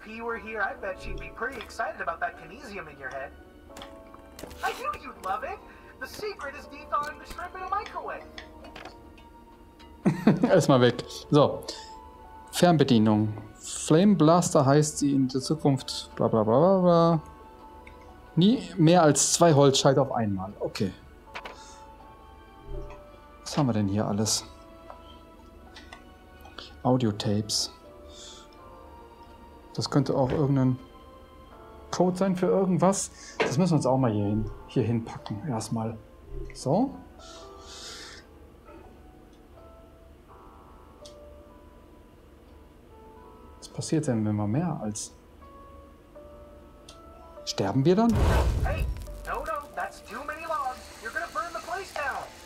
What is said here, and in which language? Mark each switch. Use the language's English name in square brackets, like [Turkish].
[English] P were here, I bet she'd be pretty excited about that kinesium in your head. I knew you'd love it. The secret is dethawing the shrimp in a microwave. [German] Erstmal weg. So. Fernbedienung. Flame Blaster heißt sie in der Zukunft. Bla bla bla bla. Nie mehr als zwei Holzscheit auf einmal. Okay. Was haben wir denn hier alles? Audiotapes. Das könnte auch irgendein Code sein für irgendwas. Das müssen wir uns auch mal hier hinpacken. Erstmal. So. Was passiert denn, wenn wir mehr als... Sterben wir dann? [English] Hey, no, no, that's too many logs. You're gonna burn the place down.